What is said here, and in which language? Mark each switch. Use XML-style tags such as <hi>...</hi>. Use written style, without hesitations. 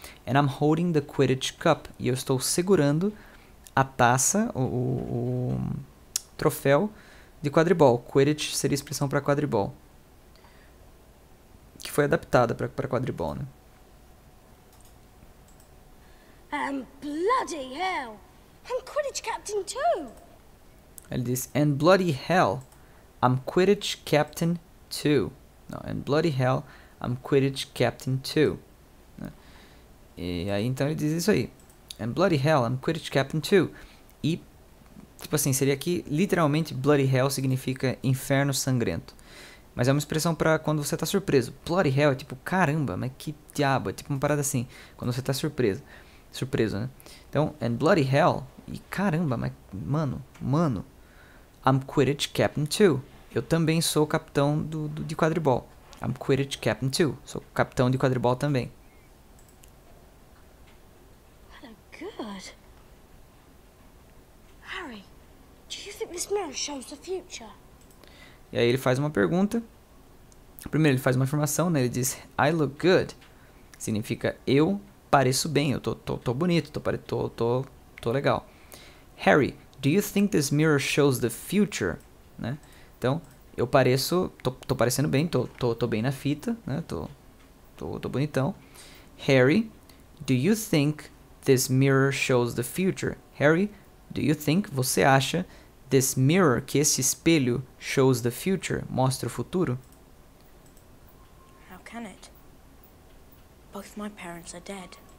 <en>And I'm holding the Quidditch Cup,</en> <pt>e eu estou segurando a taça, o troféu de quadribol. Quidditch seria a expressão para quadribol, que foi adaptada para quadribol, né?</pt> <en>Bloody hell! I'm Quidditch captain too.</en> <pt>Ele diz,</pt> <en>and bloody hell, I'm Quidditch captain too. No, and bloody hell, I'm Quidditch captain too.</en> <pt>E aí então ele diz isso aí.</pt> <en>And bloody hell, I'm Quidditch captain too.</en> <pt>E, tipo assim, seria que literalmente</pt> <en>bloody hell</en> <pt>significa inferno sangrento. Mas é uma expressão para quando você tá surpreso.</pt> <en>Bloody hell</en> <pt>é tipo, caramba, mas que diabo. É tipo uma parada assim, quando você tá surpreso. Surpresa, né? Então,</pt> <en>and bloody hell,</en> <pt>e caramba, mas mano,</pt> <en>I'm Quidditch captain too.</en> <pt>Eu também sou capitão de quadribol.</pt> <en>I'm Quidditch captain too.</en> <pt>Sou capitão de quadribol também.</pt> <en>I look good. Harry, do you think this mirror shows the future?</en> <pt>E aí ele faz uma pergunta. Primeiro ele faz uma afirmação, né? Ele diz,</pt> <en>I look good.</en> <pt>Significa eu pareço bem, eu tô bonito, tô legal.</pt> <en>Harry, do you think this mirror shows the future?</en> <pt>Né? Então, eu pareço, tô parecendo bem, tô bem na fita, né? Tô bonitão.</pt> <en>Harry, do you think this mirror shows the future? Harry, do you think,</en> <pt>você acha,</pt> <en>this mirror,</en> <pt>que esse espelho,</pt> <en>shows the future,</en> <pt>mostra o futuro?</pt> <en>How can it? Both my parents are dead.</en>